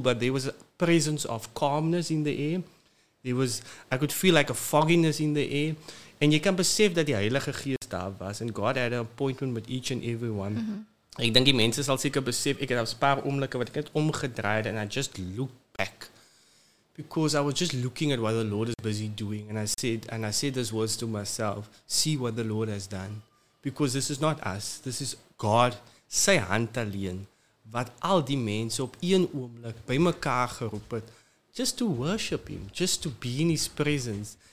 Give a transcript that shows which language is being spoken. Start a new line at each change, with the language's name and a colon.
English: But there was a presence of calmness in the air. I could feel like a fogginess in the air. And you can perceive that
Afrikaans: die Heilige Gees daar was.
English: And God had an appointment with each and everyone. Mm-hmm.
Afrikaans: Ek dink die mense sal seker besef, ek het 'n paar oomblikke wat ek het omgedraaid.
English: And I just looked back. Because I was just looking at what the Lord is busy doing. And I said those words to myself, see what the Lord has done. Because this is not us, this is God,
Afrikaans: sy hand alleen, wat al die mense op een oomblik by mekaar geroep het,
English: just to worship Him, just to be in His presence.